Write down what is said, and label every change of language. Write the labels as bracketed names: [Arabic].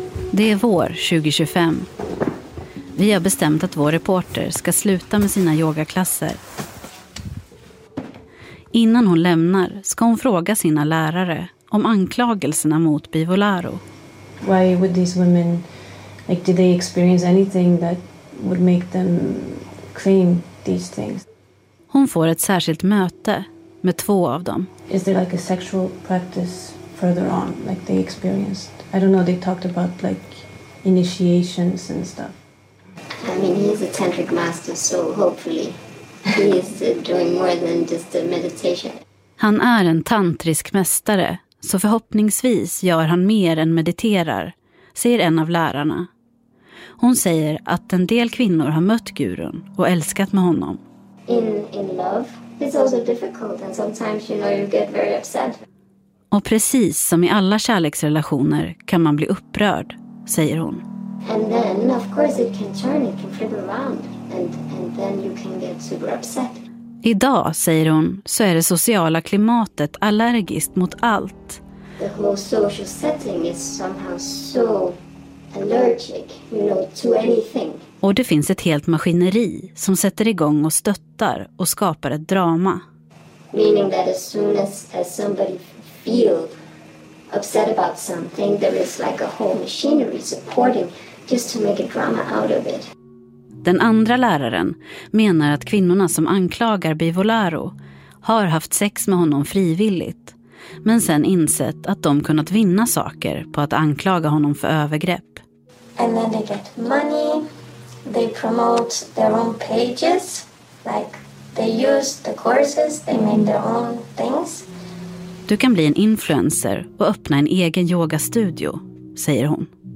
[Swedish] Det är vår 2025. Vi har bestämt att vår reporter ska sluta med sina yogaklasser. Innan hon lämnar ska hon fråga sina lärare om anklagelserna mot Bivolaro. [English] Why would these women, like, did they experience anything that would make them claim these things? [Swedish] Hon får ett särskilt möte med två av dem. [English] Is there like a sexual practice further on, like they experienced? I don't know, they talked about like initiations and stuff. I mean, he's a tantric master, so hopefully he's doing more than just a meditation. [Swedish] Han är en tantrisk mästare, så förhoppningsvis gör han mer än mediterar, säger en av lärarna. Hon säger att en del kvinnor har mött gurun och älskat med honom. [English] In love, it's also difficult and sometimes, you know, you get very upset. [Swedish] Och precis som i alla kärleksrelationer kan man bli upprörd, säger hon. [English] And then of course it can turn, it can flip around and then you can get super upset. [Swedish] Idag, säger hon, så är det sociala klimatet allergiskt mot allt. [English] The whole social setting is somehow so allergic, you know, to anything. [Swedish] Och det finns ett helt maskineri som sätter igång och stöttar och skapar ett drama. [English] Meaning that as soon as somebody feel upset about something, there is like a whole machinery supporting just to make a drama out of it. [Swedish] Den andra läraren menar att kvinnorna som anklagar Bivolaro har haft sex med honom frivilligt, men sen insett att de kunnat vinna saker på att anklaga honom för övergrepp. [English] And then they get money, they promote their own pages, like they use the courses, they make their own things. [Swedish] Du kan bli en influencer och öppna en egen yogastudio, säger hon.